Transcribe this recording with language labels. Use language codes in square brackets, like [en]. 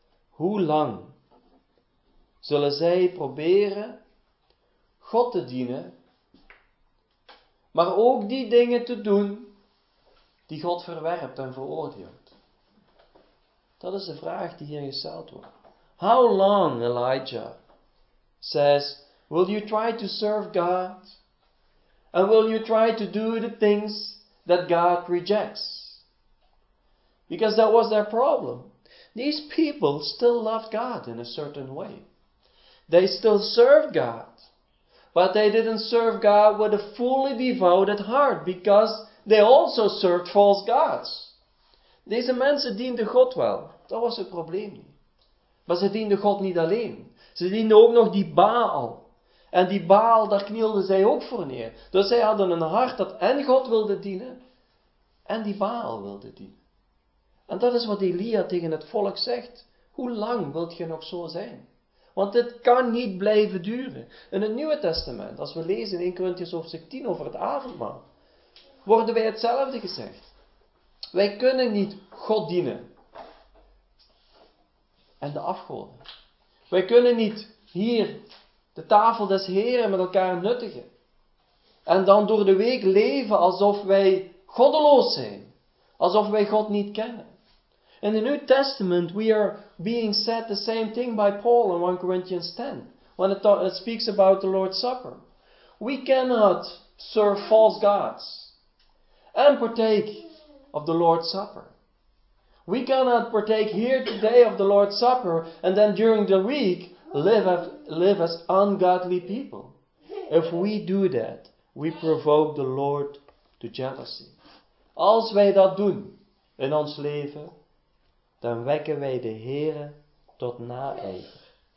[nl] Hoe lang zullen zij proberen God te dienen, maar ook die dingen te doen die God verwerpt en veroordeelt? Dat is de vraag die hier gesteld wordt. [en] How long, Elijah says, will you try to serve God? And will you try to do the things that God rejects? Because that was their problem. These people still loved God in a certain way. They still served God. But they didn't serve God with a fully devoted heart, because they also served false gods. [nl] Deze mensen dienden God wel. Dat was het probleem. Maar ze dienden God niet alleen. Ze dienden ook nog die Baal. En die Baal, daar knielden zij ook voor neer. Dus zij hadden een hart dat en God wilde dienen, en die Baal wilde dienen. En dat is wat Elia tegen het volk zegt. Hoe lang wilt je nog zo zijn? Want dit kan niet blijven duren. In het Nieuwe Testament, als we lezen in 1 Korintiërs hoofdstuk 10 over het avondmaal, worden wij hetzelfde gezegd. Wij kunnen niet God dienen en de afgoden. Wij kunnen niet hier de tafel des Heren met elkaar nuttigen. En dan door de week leven alsof wij goddeloos zijn. Alsof wij God niet kennen. [en] In the New Testament we are being said the same thing by Paul in 1 Corinthians 10. When it speaks about the Lord's Supper. We cannot serve false gods and partake of the Lord's Supper. We cannot partake here today of the Lord's Supper and then during the week live as ungodly people. If we do that, we provoke the Lord to jealousy. [nl] Als wij dat doen in ons leven, dan wekken wij de Heere tot naijver.